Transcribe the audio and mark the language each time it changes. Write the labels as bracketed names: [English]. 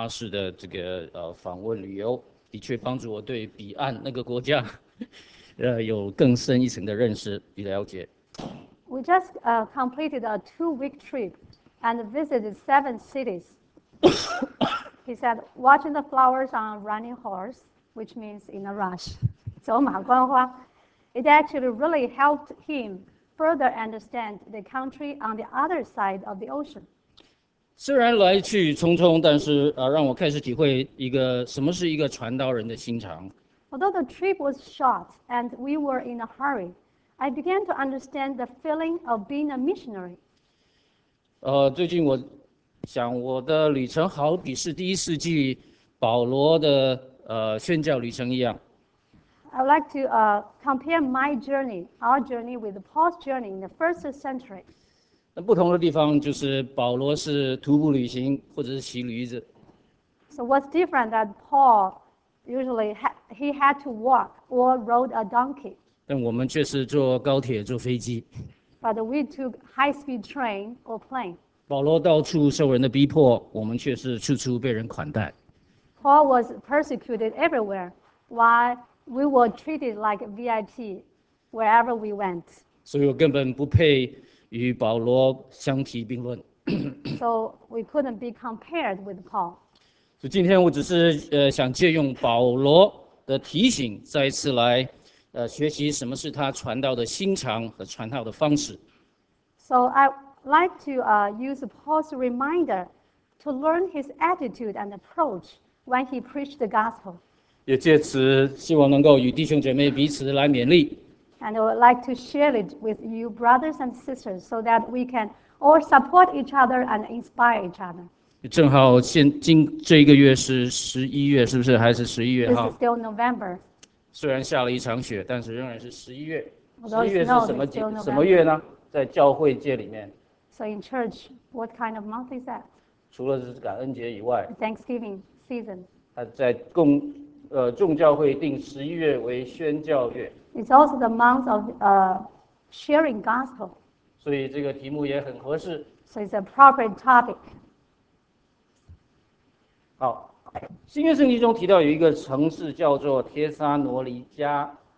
[Chinese] 我们刚刚完成一个为期两星期7个城市的祖玛观花市的这个访问旅游，的确帮助我对彼岸那个国家，有更深一层的认识与了解。 [English] We just completed a two-week trip and visited 7 cities. He said, watching the flowers on a running horse, which means in a rush. [Chinese] 走马观花. [English] It actually really helped him further understand the country on the other side of the ocean. [Chinese] 虽然来去匆匆, 但是, 让我开始体会一个什么是一个传道人的心肠。 [English] Although the trip was short and we were in a hurry, I began to understand the feeling of being a missionary. [Chinese] 最近我想我的旅程好比是第一世纪保罗的宣教旅程一样。 [English] I would like to compare my journey, our journey, with Paul's journey in the first century. [Chinese] 那不同的地方就是保罗是徒步旅行或者是骑驴子。 [English] So what's different that Paul usually he had to walk or rode a donkey. [Chinese] 但我们却是坐高铁、坐飞机。 [English] But we took high-speed train or plane. [Chinese] 保罗到处受人的逼迫，我们却是处处被人款待。 [English] Paul was persecuted everywhere, while we were treated like VIP wherever we went. [Chinese] 所以我根本不配与保罗相提并论。 [English] So we couldn't be compared with Paul. [Chinese] 所以今天我只是想借用保罗的提醒，再一次来。学习什么是他传道的心肠和传道的方式。 [English] So I like to use Paul's reminder to learn his attitude and approach when he preached the gospel. [Chinese] 也借此希望能够与弟兄姐妹彼此来勉励。 [English] And I would like to share it with you brothers and sisters so that we can all support each other and inspire each other. [Chinese] 正好今这一个月是11月，是不是？还是11月？ [English] This is still November. [Chinese] 虽然下了一场雪，但是仍然是十一月。十一月是什么节？什么月呢？在教会界里面。 [English] So in church, what kind of month is that? [Chinese] 除了是感恩节以外。 [English] Thanksgiving season. [Chinese] 在众教会定十一月为宣教月。 [English] It's also the month of sharing gospel. [Chinese] 所以这个题目也很合适。 [English] So it's a proper topic. [Chinese] 好。新约圣经中提到有一个城市叫做帖撒罗尼迦。